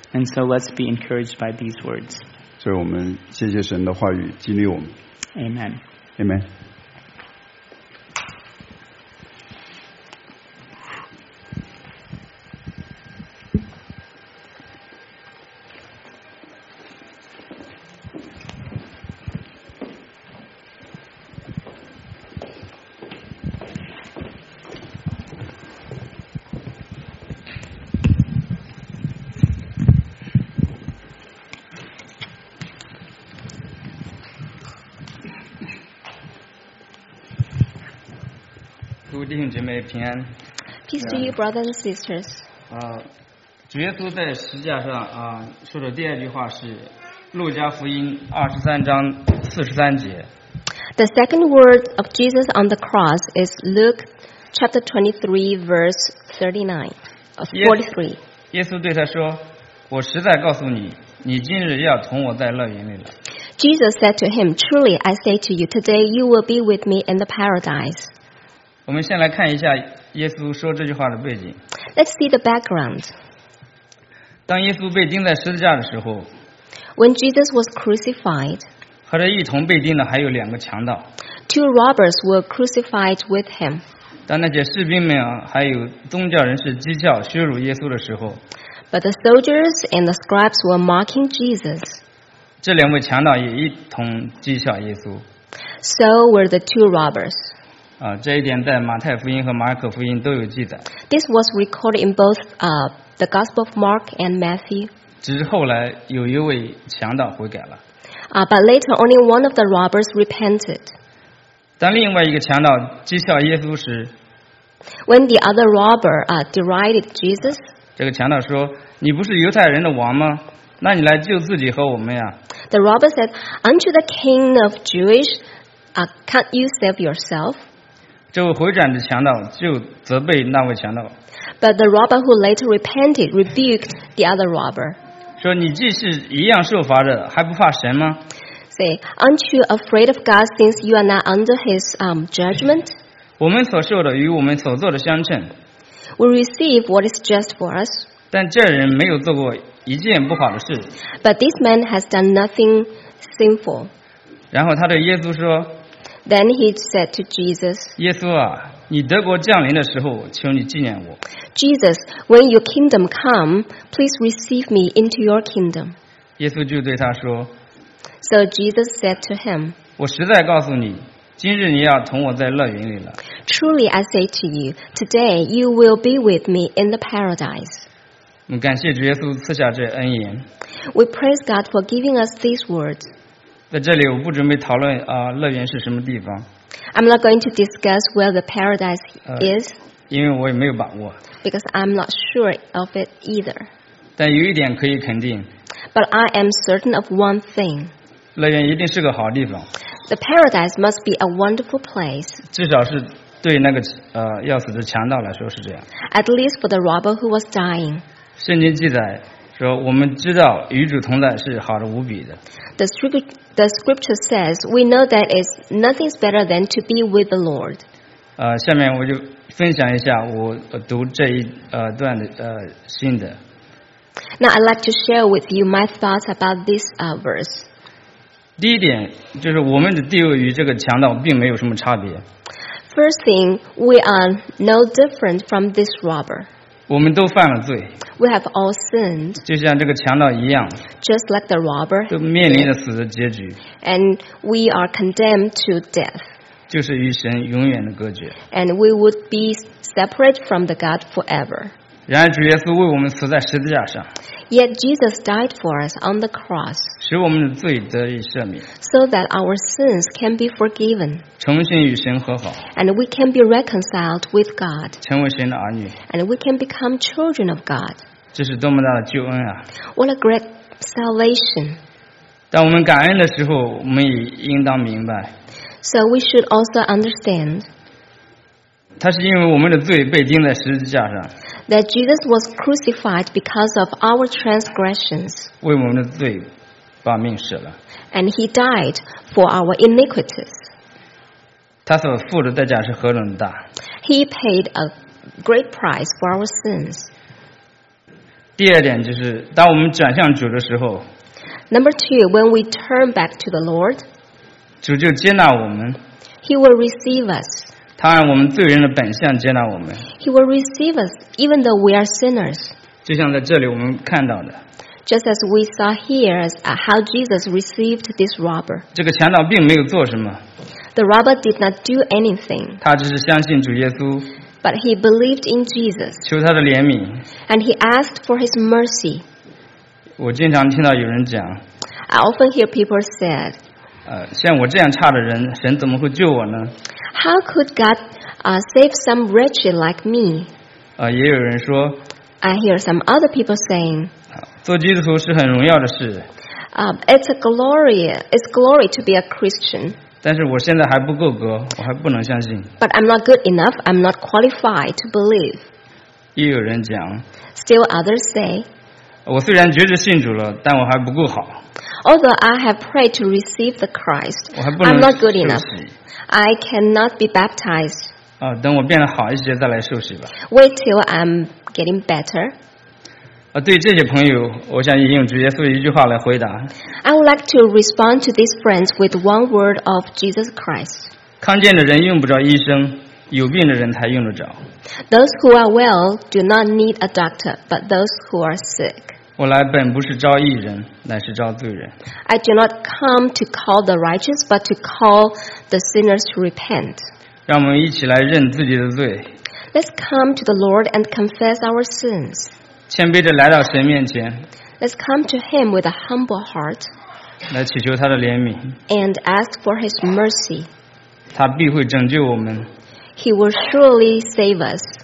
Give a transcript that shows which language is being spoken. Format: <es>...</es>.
<en>And so let's be encouraged by these words.</en> <zh>所以我们谢谢神的话语激励我们。</zh> <en>Amen. Amen. Peace to you, brothers and sisters.</en> <zh>主耶稣在十字架上说的第二句话是《路加福音》23:43。</zh> <en>The second word of Jesus on the cross is Luke 23:43.</en> <zh>耶稣对他说：“我实在告诉你，你今日要同我在乐园里了。”</zh> <en>Jesus said to him, "Truly, I say to you, today you will be with me in the paradise."</en> <zh>我们先来看一下。耶稣说这句话的背景。</zh> <en>Let's see the background.</en> <zh>当耶稣被钉在十字架的时候</zh> <en>，When Jesus was crucified，</en> <zh>和他一同被钉的还有两个强盗。</zh> <en>Two robbers were crucified with him.</en> <zh>当那些士兵们还有宗教人士讥笑、羞辱耶稣的时候</zh> <en>，But the soldiers and the scribes were mocking Jesus.</en> <zh>这两位强盗也一同讥笑耶稣。</zh> <en>So were the two robbers.</en> <zh>这一点在马太福音和马可福音都有记载。</zh> <en>This was recorded in both the Gospel of Mark and Matthew.</en> <zh>只是后来有一位强盗悔改了。</zh> <en>But later only one of the robbers repented.</en> <zh>当另外一个强盗讥笑耶稣时</zh> <en>，When the other robber derided Jesus.</en> <zh>这个强盗说：“你不是犹太人的王吗？那你来救自己和我们呀。”</zh> <en>The robber said, "Aren't you the king of Jewish? Can't you save yourself?"</en> <zh>这位回转的强盗就责备那位强盗。</zh> <en>But the robber who later repented rebuked the other robber.</en> <zh>说你既是一样受罚的，还不怕神吗</zh> <en>？Say, aren't you afraid of God since you are not under His judgment?</en> <zh>我们所受的与我们所做的相称。</zh> <en>We receive what is just for us.</en> <zh>但这人没有做过一件不好的事。</zh> <en>But this man has done nothing sinful.</en> <zh>然后他对耶稣说。</zh> <en>Then he said to Jesus,</en> <zh>耶稣啊，你德国降临的时候，求你纪念我。</zh> <en>Jesus, when your kingdom come, please receive me into your kingdom.</en> <zh>耶稣就对他说。</zh> <en>So Jesus said to him,</en> <zh>我实在告诉你，今日你要同我在乐园里了。</zh> <en>Truly I say to you, today you will be with me in the paradise.</en> <zh>我们感谢主耶稣赐下这恩言。</zh> <en>We praise God for giving us these words.</en> <zh>在这里我不准备讨论乐园是什么地方。</zh> <en>I'm not going to discuss where the paradise is.</en> <zh>因为我也没有把握。</zh> <en>Because I'm not sure of it either.</en> <zh>但有一点可以肯定。</zh> <en>But I am certain of one thing.</en> <zh>乐园一定是个好地方。</zh> <en>The paradise must be a wonderful place.</en> <zh>至少是对那个要死的强盗来说是这样。</zh> <en>At least for the robber who was dying.</en> <zh>圣经记载。说我们知道与主同在是好的无比的。</zh> <en>The scripture says we know that it's nothing's better than to be with the Lord.</en> <zh>下面我就分享一下我读这一段的心得。</zh> <en>Now I'd like to share with you my thoughts about this verse.</en> <zh>第一点就是我们的地位与这个强盗并没有什么差别。</zh> <en>First thing, we are no different from this robber.</en> <zh>我们都犯了罪。</zh> <en>We have all sinned.</en> <zh>就像这个强盗一样。</zh> <en>Just like the robber.</en> <zh>都面临着死的结局。</zh> <en>And we are condemned to death.</en> <zh>就是与神永远的隔绝。</zh> <en>And we would be separate from the God forever.</en> <zh>然而主耶稣为我们死在十字架上。</zh> <en>Yet Jesus died for us on the cross,</en> <zh>使我们的罪得以赦免,</zh> <en>so that our sins can be forgiven,</en> <zh>重新与神和好,</zh> <en>and we can be reconciled with God,</en> <zh>成为神的儿女,</zh> <en>and we can become children of God.</en> <zh>这是多么大的救恩啊!</zh> <en>What a great salvation!</en> <zh>当我们感恩的时候, 我们也应当明白,</zh> <en>so we should also understand,</en> <zh>它是因为我们的罪被钉在十字架上。</zh> <en>That Jesus was crucified because of our transgressions.</en> <zh>为我们的罪把命舍了。</zh> <en>And he died for our iniquities.</en> <zh>他所付的代价是何等大。</zh> <en>He paid a great price for our sins.</en> <zh>第二点就是当我们转向主的时候。</zh> <en>Number two, when we turn back to the Lord.</en> <zh>主就接纳我们。</zh> <en>He will receive us.</en> <zh>他按我们罪人的本相接纳我们。</zh> <en>He will receive us, even though we are sinners.</en> <zh>就像在这里我们看到的。</zh> <en>Just as we saw here as how Jesus received this robber.</en> <zh>这个强盗并没有做什么。</zh> <en>The robber did not do anything.</en> <zh>他只是相信主耶稣。</zh> <en>But he believed in Jesus.</en> <zh>求他的怜悯。</zh> <en>And he asked for his mercy.</en> <zh>我经常听到有人讲。</zh> <en>I often hear people said.</en> <zh>像我这样差的人，神怎么会救我呢？</zh> <en>How could God save some wretched like me?</en> <zh>也有人说</zh> <en>I hear some other people saying</en> <zh>做基督徒是很荣耀的事</zh> <en>It's glory to be a Christian</en> <zh>但是我现在还不够格我还不能相信</zh> <en>But I'm not good enough I'm not qualified to believe</en> <zh>也有人讲</zh> <en>Still others say</en> <zh>我虽然觉知信主了但我还不够好</zh> <en>Although I have prayed to receive the Christ I'm not good enough I cannot be baptized.</en> <zh>等我变得好一些再来受洗吧。</zh> <en>Wait till I'm getting better.</en> <zh>对这些朋友，我想引用主耶稣一句话来回答。</zh> <en>I would like to respond to these friends with one word of Jesus Christ.</en> <zh>康健的人用不着医生，有病的人才用得着。</zh> <en>Those who are well do not need a doctor, but those who are sick.</en> <zh>我来本不是招义人，乃是招罪人。</zh> <en>I do not come to call the righteous, but to call the sinners to repent.</en> <zh>让我们一起来认自己的罪。</zh> <en>Let's come to the Lord and confess our sins.</en> <zh>谦卑地来到神面前。</zh> <en>Let's come to Him with a humble heart.</en> <zh>来祈求他的怜悯。</zh> <en>And ask for His mercy.</en> <zh>他必会拯救我们。</zh> <en>He will surely save us.</en>